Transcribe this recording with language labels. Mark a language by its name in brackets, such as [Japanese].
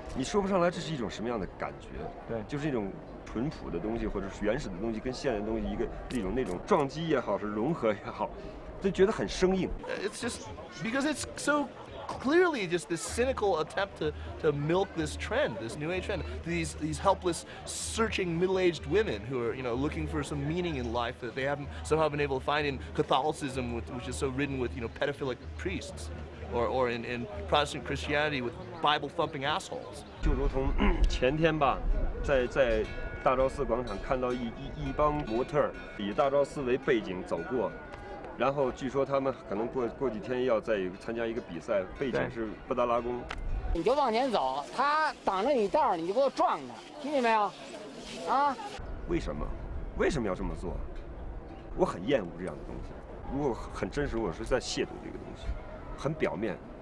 [Chinese] 比如说像在拉萨啊，你突然发现一个喇嘛在一个上面标着中国电信的一个，对，你说不上来这是一种什么样的感觉，对，就是一种。淳朴的东西，或者是原始的东西，跟现代东西一个那种撞击也好，是融合也好，就觉得很生硬。 [English] It's just because it's so clearly just this cynical attempt to milk this trend, this new age trend. These helpless, searching middle-aged women who are, you know, looking for some meaning in life that they haven't somehow been able to find in Catholicism, which is so ridden with, you know, pedophilic priests, or in Protestant Christianity with Bible-thumping assholes. [Chinese] 就如同前天吧，在 大昭寺广场看到一帮模特，以大昭寺为背景走过，然后据说他们可能过几天要在参加一个比赛，背景是布达拉宫。你就往前走，他挡着你道，你就给我撞他，听见没有？啊？为什么要这么做？我很厌恶这样的东西，如果很真实，我是在亵渎这个东西，很表面。